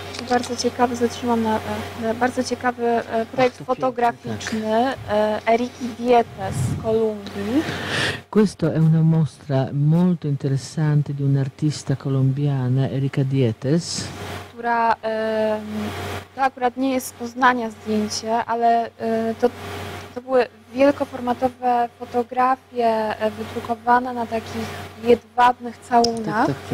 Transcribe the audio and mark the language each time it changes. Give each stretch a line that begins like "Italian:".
Polish: Bardzo ciekawy, zatrzymam na bardzo ciekawy projekt fotograficzny Eriki Dietes z Kolumbii.
Italian: Questo è una mostra molto interessante di un'artista colombiana, Erika Dietes,
Polish: która to akurat nie jest z Poznania zdjęcie, ale to były wielkoformatowe fotografie wydrukowane na takich jedwabnych całunach.